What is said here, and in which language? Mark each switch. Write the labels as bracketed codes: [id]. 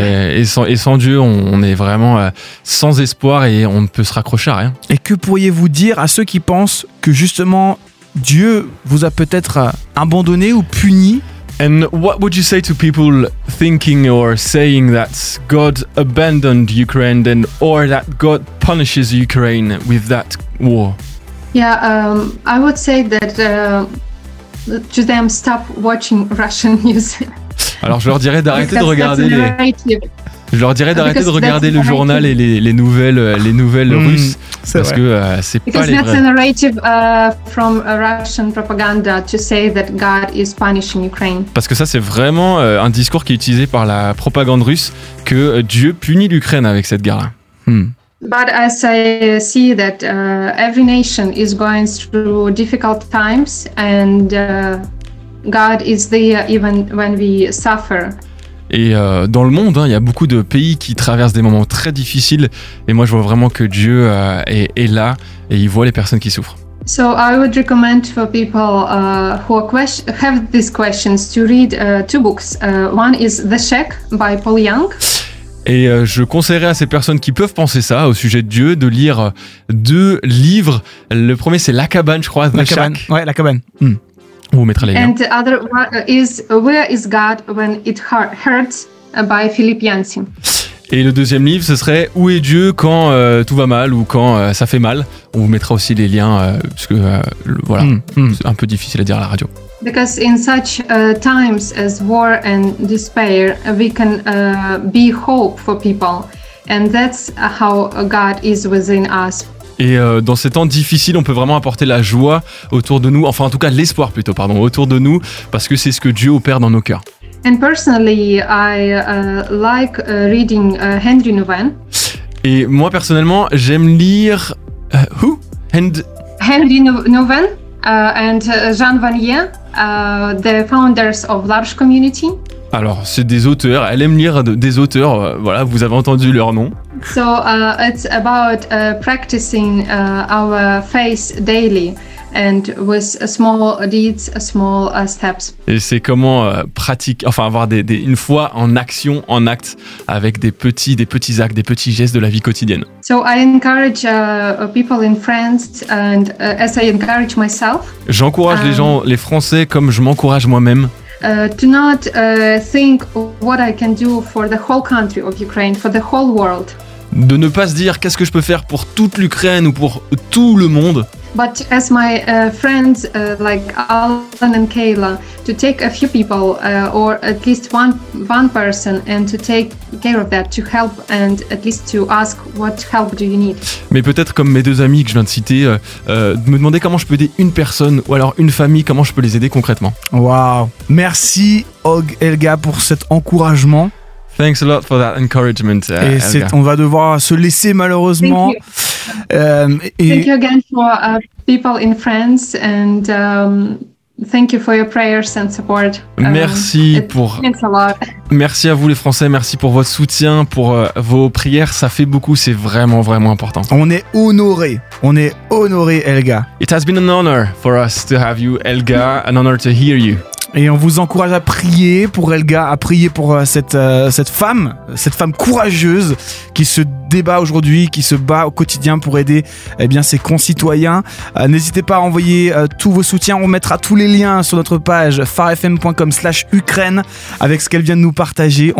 [fr] Et sans Dieu, on est vraiment sans espoir et on ne peut se raccrocher à rien. Et que pourriez-vous dire à ceux qui pensent que justement Dieu vous a peut-être abandonné ou puni? [en] And what would you say to people thinking or saying that God abandoned Ukraine and or that God punishes Ukraine with that war? Yeah, I would say that to them, stop watching Russian news. [fr] Alors je leur dirais d'arrêter de regarder les. Je leur dirais d'arrêter [en] because [fr] de regarder le journal et les nouvelles russes parce vrai. Que c'est [en] because [fr] pas les vrais. [en] Because that's a narrative from a Russian propaganda to say that God is punishing Ukraine. [fr] Parce que ça c'est vraiment un discours qui est utilisé par la propagande russe que Dieu punit l'Ukraine avec cette guerre. [en] But as I see that every nation is going through difficult times and God is there even when we suffer. [fr] Et dans le monde, hein, y a beaucoup de pays qui traversent des moments très difficiles. Et moi, je vois vraiment que Dieu est là et il voit les personnes qui souffrent. [en] So I would recommend for people who are have these questions to read two books. One is The Sheikh by Paul Young. [fr] Et je conseillerais à ces personnes qui peuvent penser ça au sujet de Dieu de lire deux livres. Le premier, c'est La Cabane, je crois. La Cabane. On vous mettra les liens. [en] And the other one is Where is God when it hurts by Philip Yancey. [fr] Et le deuxième livre, ce serait Où est Dieu quand tout va mal ou quand ça fait mal. On vous mettra aussi les liens parce que c'est un peu difficile à dire à la radio. [en] Because in such times as war and despair, we can be hope for people, and that's how God is within us. [fr] Et dans ces temps difficiles, on peut vraiment apporter la joie autour de nous, enfin en tout cas l'espoir plutôt, pardon, autour de nous, parce que c'est ce que Dieu opère dans nos cœurs. [en] And personally, I like reading Henry Nouwen. [fr] Et moi personnellement, j'aime lire [en] Henry Nouwen and Jean Vanier, the founders of Large Community. [fr] Alors, c'est des auteurs. Elle aime lire des auteurs. Voilà, vous avez entendu leur nom. [en] So, it's about practicing our faith daily and with small deeds, small steps. [fr] Et c'est comment avoir une foi en action, en acte, avec des petits actes, des petits gestes de la vie quotidienne. [en] So, I encourage people in France and as I encourage myself. [fr] J'encourage les gens, les Français, comme je m'encourage moi-même. [en] Do not think what I can do for the whole country of Ukraine, for the whole world. [fr] De ne pas se dire qu'est-ce que je peux faire pour toute l'Ukraine ou pour tout le monde. [en] But as my friends like Alan and Kayla, to take a few people or at least one person and to take care of that, to help and at least to ask what help do you need. [fr] Mais peut-être comme mes deux amis que je viens de citer, me demander comment je peux aider une personne ou alors une famille, comment je peux les aider concrètement. Wow, merci Og Helga pour cet encouragement. [en] Thanks a lot for that encouragement, Helga. [fr] Et on va devoir se laisser malheureusement. [en] Thank you again for people in France and Thank you for your prayers and support. [fr] Merci pour. [en] It means a lot. [fr] Merci à vous les Français, merci pour votre soutien, pour vos prières, ça fait beaucoup, c'est vraiment vraiment important. On est honoré Helga. [en] It has been an honor for us to have you Helga, an honor to hear you. [fr] Et on vous encourage à prier pour Helga, à prier pour cette femme courageuse qui se débat aujourd'hui, qui se bat au quotidien pour aider eh bien, ses concitoyens. N'hésitez pas à envoyer tous vos soutiens, on mettra tous les liens sur notre page farfm.com/Ukraine avec ce qu'elle vient de nous partager.